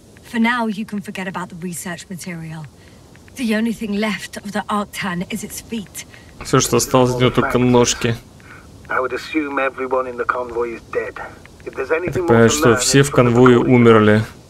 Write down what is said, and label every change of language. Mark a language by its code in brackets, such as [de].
[en] For now you can forget about the research material. The only thing left of the Arctan is its feet. [ru] Все, что осталось от него, только ножки. [en] I would assume everyone in the convoy is dead. [ru] Я так понимаю, что все в конвое умерли.